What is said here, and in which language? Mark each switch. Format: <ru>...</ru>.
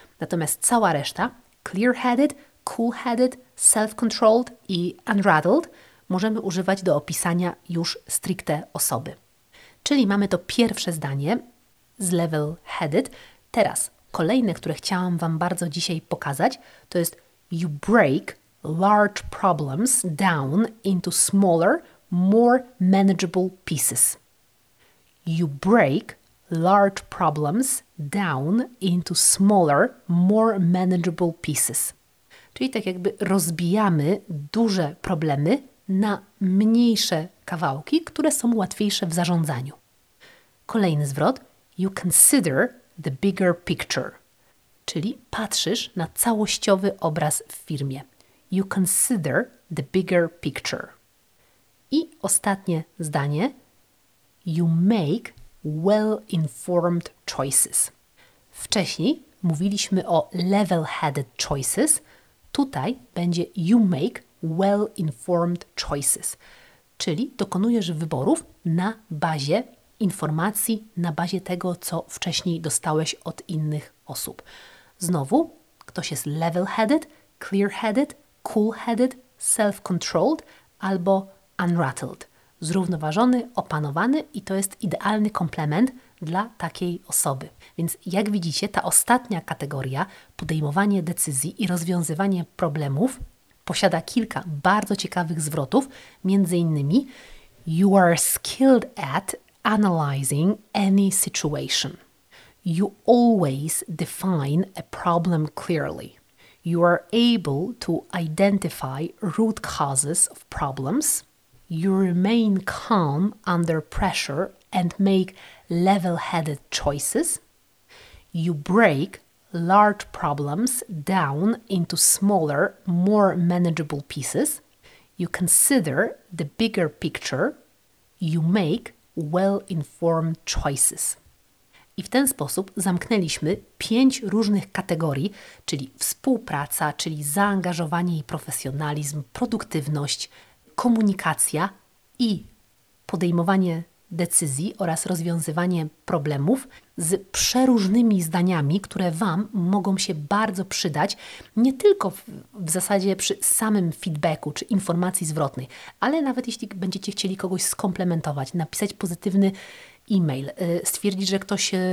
<pl>Natomiast cała reszta, clear-headed, cool-headed, self-controlled i unrattled, możemy używać do opisania już stricte osoby. Czyli mamy to pierwsze zdanie z level-headed. Teraz kolejne, które chciałam Wam bardzo dzisiaj pokazać, to jest</pl> <en>you break large problems down into smaller, more manageable pieces. You break large problems down into smaller, more manageable pieces.</en> <pl>Czyli tak jakby rozbijamy duże problemy na mniejsze kawałki, które są łatwiejsze w zarządzaniu. Kolejny zwrot.</pl> <en>You consider the bigger picture.</en> <pl>Czyli patrzysz na całościowy obraz w firmie.</pl> <en>You consider the bigger picture.</en> <pl>I ostatnie zdanie.</pl> <en>You make well-informed choices.</en> <pl>Wcześniej mówiliśmy o level-headed choices. Tutaj będzie</pl> <en>you make well-informed choices.</en> <pl>Czyli dokonujesz wyborów na bazie informacji, na bazie tego, co wcześniej dostałeś od innych osób. Znowu, ktoś jest level-headed, clear-headed, cool-headed, self-controlled albo unrattled. Zrównoważony, opanowany i to jest idealny komplement dla takiej osoby. Więc jak widzicie, ta ostatnia kategoria, podejmowanie decyzji i rozwiązywanie problemów, posiada kilka bardzo ciekawych zwrotów, między innymi</pl> <en>you are skilled at analyzing any situation. You always define a problem clearly. You are able to identify root causes of problems. You remain calm under pressure and make level-headed choices. You break large problems down into smaller, more manageable pieces. You consider the bigger picture. You make well-informed choices.</en> <pl>I w ten sposób zamknęliśmy 5 różnych kategorii, czyli współpraca, czyli zaangażowanie i profesjonalizm, produktywność, komunikacja i podejmowanie decyzji oraz rozwiązywanie problemów z przeróżnymi zdaniami, które Wam mogą się bardzo przydać, nie tylko w zasadzie przy samym feedbacku czy informacji zwrotnej, ale nawet jeśli będziecie chcieli kogoś skomplementować, napisać pozytywny e-mail, stwierdzić, że ktoś</pl>